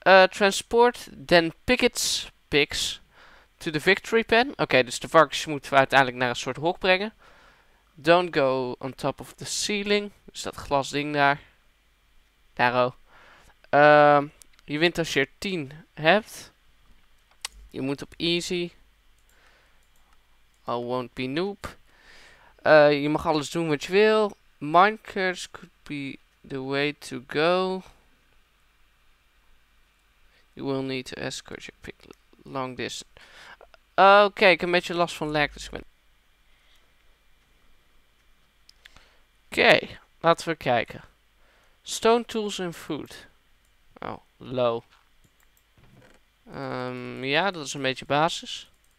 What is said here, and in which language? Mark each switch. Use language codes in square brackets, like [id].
[en] Transport then pigs to the victory pen. [nl] Oké, dus de varkens moeten we uiteindelijk naar een soort hok brengen. [en] Don't go on top of the ceiling. [nl] Dus dat glas ding daar. Daar ook. Je wint als je er 10 hebt. Je moet op easy. [en] I won't be noob. [nl] Je mag alles doen wat je wil. [en] Minecraft could be the way to go. You will need to escort your pig long distance. [nl] Oké, ik heb een beetje last van lag. Dus ik ben... Oké, laten we kijken. [en] Stone tools and food. Oh, low. [nl] Ja, dat is een beetje basis.